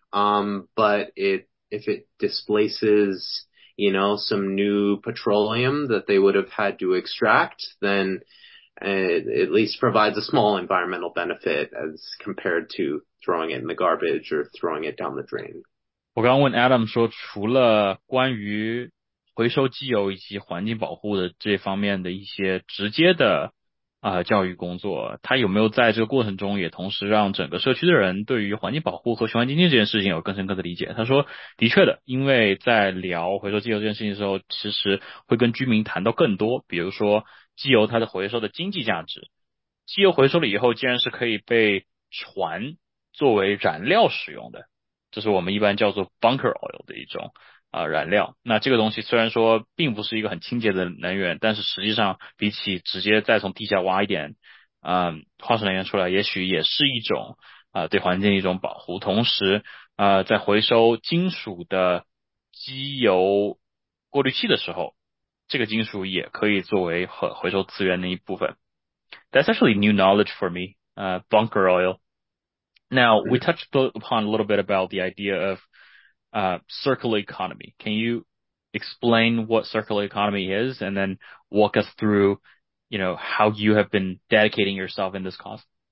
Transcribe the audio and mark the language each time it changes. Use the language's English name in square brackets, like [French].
[English] But if it displaces, you know, some new petroleum that they would have had to extract, then it at least provides a small environmental benefit as compared to throwing it in the garbage or throwing it down the drain. [Chinese] 我刚问 Adam 说，除了关于回收机油以及环境保护的这方面的一些直接的教育工作，他有没有在这个过程中也同时让整个社区的人对于环境保护和循环经济这件事情有更深刻的理解？他说的确的，因为在聊回收机油这件事情的时候，其实会跟居民谈到更多，比如说机油它的回收的经济价值，机油回收了以后竟然是可以被船作为燃料使用的，这是我们一般叫做 bunker oil 的一种燃料。那这个东西虽然说并不是一个很清洁的能源，但是实际上比起直接再从地下挖一点化石能源出来，也许也是一种对环境的一种保护。同时在回收金属的机油过滤器的时候，这个金属也可以作为回收资源的一部分。 [English] That's actually new knowledge for me, bunker oil. Now, we touched upon a little bit about the idea ofcircular economy. Can you explain what circular economy is and then walk us through, you know, how you have been dedicating yourself in this cause?